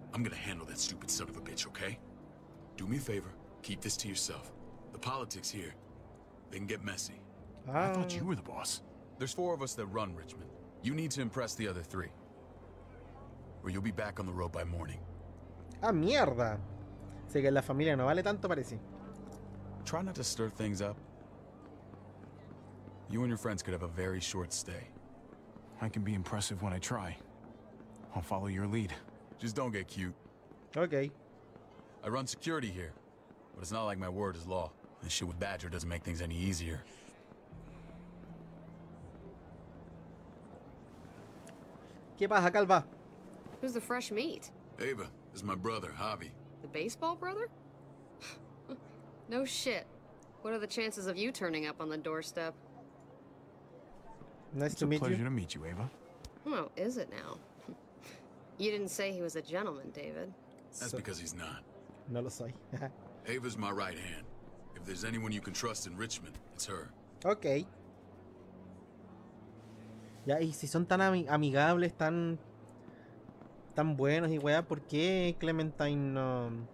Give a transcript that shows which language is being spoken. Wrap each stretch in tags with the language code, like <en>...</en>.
<en>I'm gonna handle that stupid son of a bitch, okay? do me a favor, keep this to yourself. The politics here, they can get messy. I thought you were the boss. There's four of us that run Richmond. You need to impress the other three, or you'll be back on the road by morning.</en> <es>Ah, mierda. Sé que la familia no vale tanto, parece.</es> <en>Try not to stir things up. You and your friends could have a very short stay. I can be impressive when I try. I'll follow your lead. Just don't get cute. Okay. I run security here, but it's not like my word is law. This shit with Badger doesn't make things any easier.</en> <es>¿Qué pasa, Calva?</es> <en>Who's the fresh meat? Ava, this is my brother, Javi. The baseball brother? No shit. What are the chances of you turning up on the doorstep? Nice to meet you. It's a pleasure to meet you, Ava. Well, is it now? You didn't say he was a gentleman, David. That's because he's not.</en> <es>No lo soy.</es> <en>Ava's my right hand. If there's anyone you can trust in Richmond, it's her. Okay.</en> <es>Ya, y si son tan amigables, tan buenos y weá, ¿por qué Clementine no?</es>